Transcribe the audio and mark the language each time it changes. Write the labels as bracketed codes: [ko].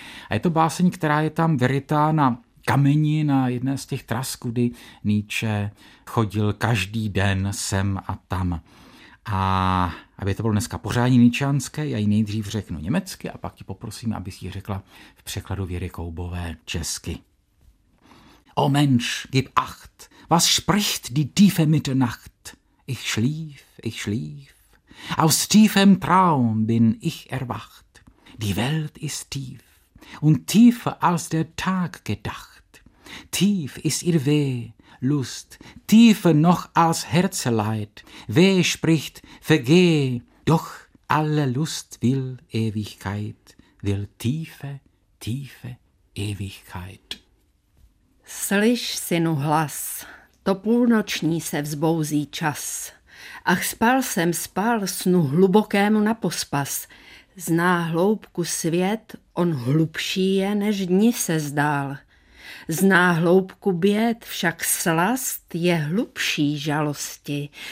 [cs] A je to báseň, která je tam vyrytá na kameni na jedné z těch tras, kudy Nietzsche chodil každý den sem a tam. A aby to bylo dneska pořádně nietzscheánské, já ji nejdřív řeknu německy a pak ti poprosím, abys ji řekla v překladu Věry Koubové česky. [de] O Mensch, gib acht, was spricht die tiefe Mitternacht? Ich schlief, aus tiefem Traum bin ich erwacht. Die Welt ist tief und tiefer als der Tag gedacht. Tief ist ihr Weh, Lust, tiefer noch als Herzeleid. Weh spricht, vergeh, doch alle Lust will Ewigkeit, will tiefe, tiefe Ewigkeit. [cs] Slyš, synu, hlas, to půlnoční se vzbouzí čas. Ach, spal, snu hlubokému na pospas. Zná hloubku svět, on hlubší je, než dni se zdál. Zná hloubku běd, však slast je hlubší žalosti.